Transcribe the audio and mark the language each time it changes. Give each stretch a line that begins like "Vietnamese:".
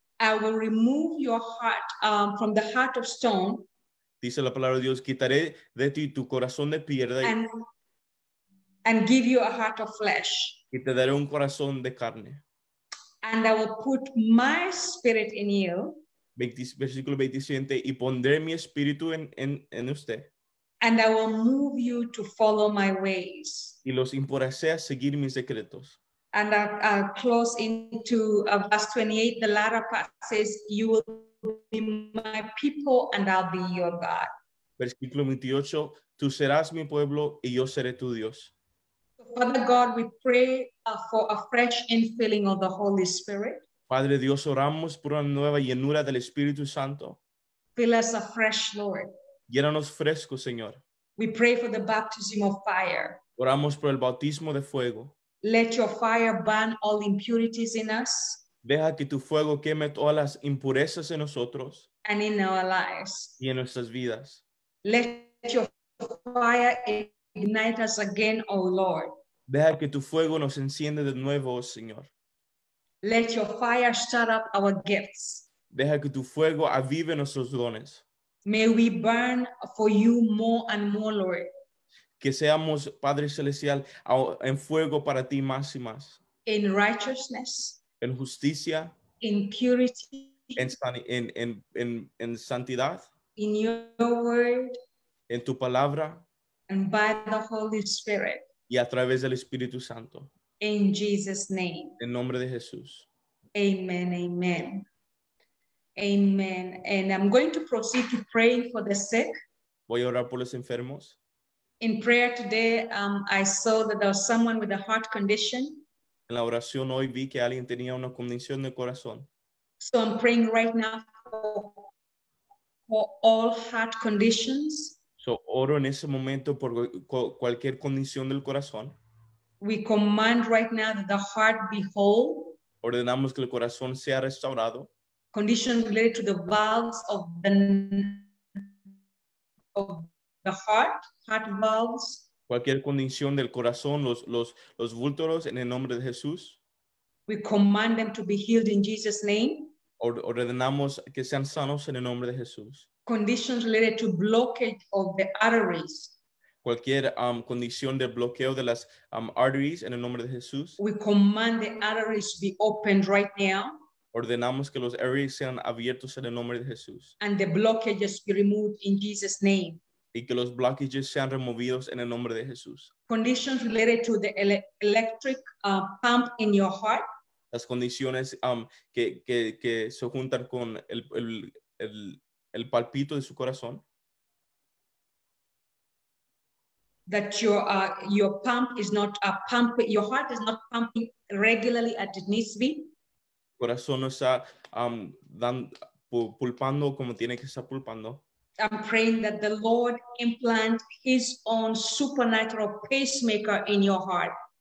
English: I will remove your heart from the heart of stone.
Spanish: Dice la palabra de Dios, quitaré de ti tu corazón de piedra.
English: And give you a heart of flesh.
Spanish: Y te daré un corazón de carne.
English: And I will put my spirit in you.
Spanish: Versículo 27, y pondré mi espíritu en usted.
English: And I will move you to follow my ways.
Spanish: Y los impulsaré a seguir mis decretos.
English: And I'll close into verse 28, the latter part says, you will be my people and I'll be your God.
Spanish: Versículo 28, tú serás mi pueblo y yo seré tu Dios.
English: Father God, we pray for a fresh infilling of the Holy Spirit.
Spanish: Padre Dios, oramos por una nueva llenura del Espíritu Santo.
English: Fill us afresh, Lord.
Spanish: Llénanos fresco, Señor.
English: We pray for the baptism of fire.
Spanish: Oramos por el bautismo de fuego.
English: Let your fire burn all impurities in us.
Spanish: Deja que tu fuego queme todas las impurezas en nosotros.
English: And in our lives.
Spanish: Y en nuestras vidas.
English: Let your fire ignite us again, O Lord.
Spanish: Deja que tu fuego nos encienda de nuevo, Señor.
English: Let your fire start up our gifts.
Spanish: Deja que tu fuego avive nuestros dones.
English: May we burn for you more and more, Lord.
Spanish: Que seamos, Padre Celestial, en fuego para ti más y más.
English: In righteousness.
Spanish: En justicia.
English: In purity.
Spanish: En santidad.
English: In your word.
Spanish: En tu palabra.
English: And by the Holy Spirit.
Spanish: Y a través del Espíritu Santo.
English: In Jesus' name.
Spanish: En nombre de Jesús.
English: Amen, amen. Amen. And I'm going to proceed to praying for the sick.
Spanish: Voy a orar por los enfermos.
English: In prayer today, I saw that there was someone with a heart condition.
Spanish: En la oración hoy vi que alguien tenía una condición de corazón.
English: So I'm praying right now for all heart conditions.
Spanish: So oro en ese momento por cualquier condición del corazón.
English: We command right now that the heart be whole.
Spanish: Ordenamos que el corazón sea restaurado.
English: Condition related to the valves of the heart valves.
Spanish: Cualquier condición del corazón, los vultores, en el nombre de Jesús.
English: We command them to be healed in Jesus' name.
Spanish: Ordenamos que sean sanos en el nombre de Jesús.
English: Conditions related to blockage of the arteries.
Spanish: Cualquier condición de bloqueo de las arteries en el nombre de Jesús.
English: We command the arteries to be opened right now.
Spanish: Ordenamos que los arteries sean abiertos en el nombre de Jesús.
English: And the blockages be removed in Jesus' name.
Spanish: Y que los blockages sean removidos en el nombre de Jesús.
English: Conditions related to the electric pump in your heart.
Spanish: Las condiciones que se juntan con el palpito de su corazón.
English: That your pump is not a pump, your heart is not pumping regularly as it needs to be.
Spanish: Corazón no está pulpando como tiene que estar pulpando.
English: I'm praying that the Lord implant his own supernatural pacemaker in your heart.